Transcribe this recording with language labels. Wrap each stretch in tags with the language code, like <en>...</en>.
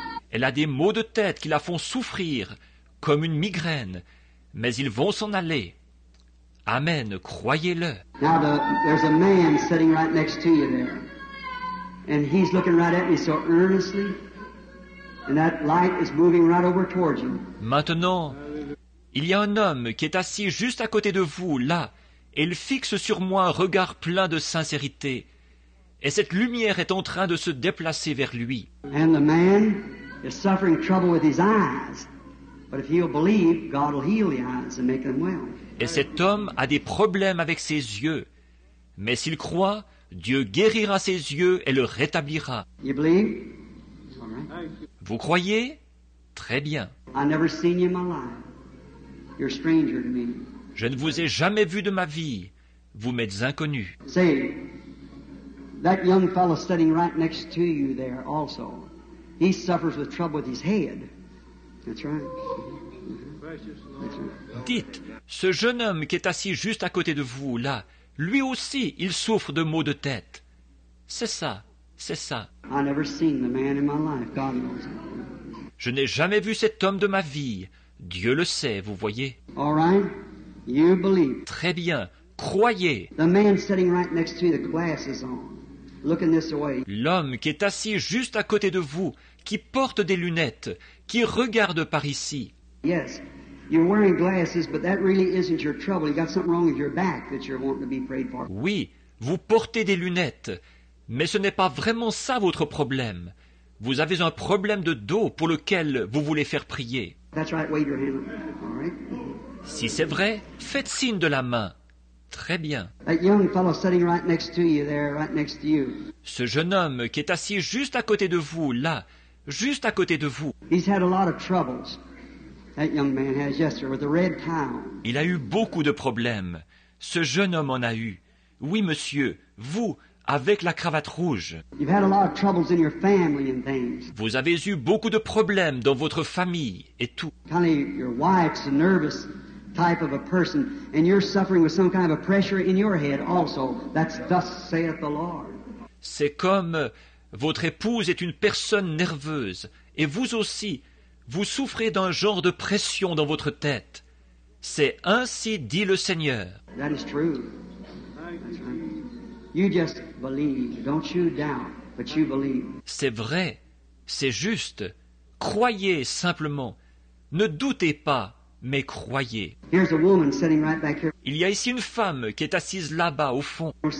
<fr>Elle a des maux de tête qui la font souffrir, comme une migraine, mais ils vont s'en aller. Amen, croyez-le.</fr> <en>Now there's a man sitting right next to you there. And he's looking right at me so earnestly. And that light is moving right over towards you.</en> <fr>Maintenant, il y a un homme qui est assis juste à côté de vous, là, et il fixe sur moi un regard plein de sincérité. Et cette lumière est en train de se déplacer vers lui.</fr> <en>And the man... He's suffering trouble with his eyes. But if he'll believe, God will heal the eyes and make them well.</en> <fr>Et cet homme a des problèmes avec ses yeux. Mais s'il croit, Dieu guérira ses yeux et le rétablira.</fr> <en>You believe? All right.</en> <fr>Vous croyez? Très bien.</fr> <en>I've never seen you in my life. You're a stranger to me.</en> <fr>Je ne vous ai jamais vu de ma vie. Vous m'êtes inconnu.</fr> <en>See, that young fellow sitting right next to you there also. He suffers with trouble with his head. That's right.</en> <fr>Dites, ce jeune homme qui est assis juste à côté de vous, là, lui aussi, il souffre de maux de tête. C'est ça, C'est ça.</fr> <en>I never seen the man in my life. God knows.</en> <fr>Je n'ai jamais vu cet homme de ma vie. Dieu le sait, vous voyez.</fr> <en>All right. You believe.</en> <fr>Très bien, croyez.</fr> <en>The man sitting right next to you, the glasses on. Looking this way.</en> <fr>L'homme qui est assis juste à côté de vous, qui porte des lunettes, qui regarde par ici.</fr> <en>Yes, you're wearing glasses, but that really isn't your trouble. You got something wrong with your back that you're wanting to be prayed for.</en> <fr>Oui, vous portez des lunettes, mais ce n'est pas vraiment ça votre problème. Vous avez un problème de dos pour lequel vous voulez faire prier.</fr> <en>That's right. Wave your hand. All right.</en> <fr>Si c'est vrai, faites signe de la main. Très bien.</fr> <en>That young fellow sitting right next to you there, right next to you.</en> <fr>Ce jeune homme qui est assis juste à côté de vous, là, juste à côté de vous.</fr> <en>He's had a lot of troubles. That young man has, yes, sir, with the red towel.</en> <fr>Il a eu beaucoup de problèmes. Ce jeune homme en a eu. Oui, monsieur, vous, avec la cravate rouge.</fr> <en>You've had a lot of troubles in your family and things.</en> <fr>Vous avez eu beaucoup de problèmes dans votre famille et tout.</fr> <en>Kind of your wife's nervous type of a person, and you're suffering with some kind of a pressure in your head also. That's thus saith the Lord.</en> <fr>C'est comme votre épouse est une personne nerveuse, et vous aussi, vous souffrez d'un genre de pression dans votre tête. C'est ainsi dit le Seigneur.</fr> <en>That is true. That's right. You just believe. Don't you doubt, but you believe.</en> <fr>C'est vrai. C'est juste. Croyez simplement. Ne doutez pas. Mais croyez.</fr> <en>Here's a woman sitting right back here.</en> <fr>Il y a ici une femme qui est assise là-bas au fond.</fr>